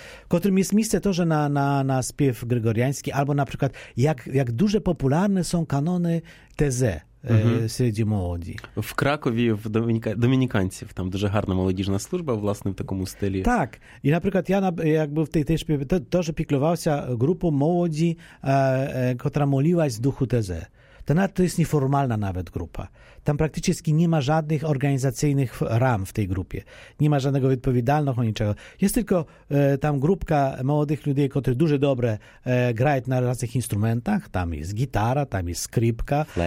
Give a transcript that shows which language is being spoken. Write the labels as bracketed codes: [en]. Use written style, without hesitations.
[pl] W którym jest miejsce to, że na śpiew gregoriański, albo na przykład jak duże popularne są kanony Teze. [uk] Среди молоді. В Кракові, в домініканців, там дуже гарна молодіжна служба, власне, в такому стилі. Так. І, наприклад, я як був в тій тежпі, теж піклювався групу молоді, котра молилась в духу Тезе. [pl] To nadto jest nieformalna nawet grupa. Tam praktycznie nie ma żadnych organizacyjnych ram w tej grupie. Nie ma żadnego odpowiedzialnego, niczego. Jest tylko tam grupka młodych ludzi, którzy duże dobre grają na różnych instrumentach. Tam jest gitara, tam jest skrypka,